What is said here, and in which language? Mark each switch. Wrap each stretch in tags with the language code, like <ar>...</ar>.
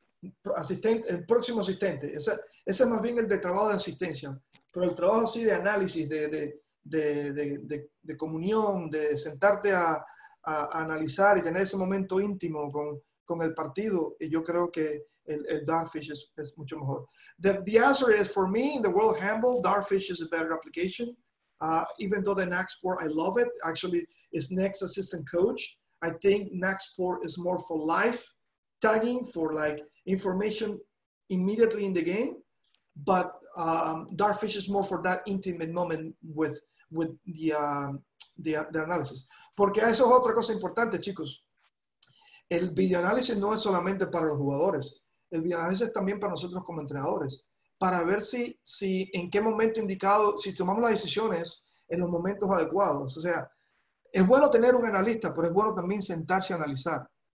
<es>El próximo asistente. Ese es más bien el de trabajo de asistencia. Pero el trabajo así de análisis, de comunión, de sentarte a analizar y tener ese momento íntimo con el partido, y yo creo que el Darfish es mucho mejor.</es> <en>The answer is, for me, in the world of handball, Darfish is a better application. Even though the Naxport, I love it. Actually, it's Next Assistant Coach. I think Naxport is more for life tagging, for like information immediately in the game. But Darfish is more for that intimate moment with the analysis.</en> <es>Porque eso es otra cosa importante, chicos. El video análisis no es solamente para los jugadores. El video análisis es también para nosotros como entrenadores. Para ver si en qué momento indicado, si tomamos las decisiones en los momentos adecuados. O sea, es bueno tener un analista, pero es bueno también sentarse a analizar.</es>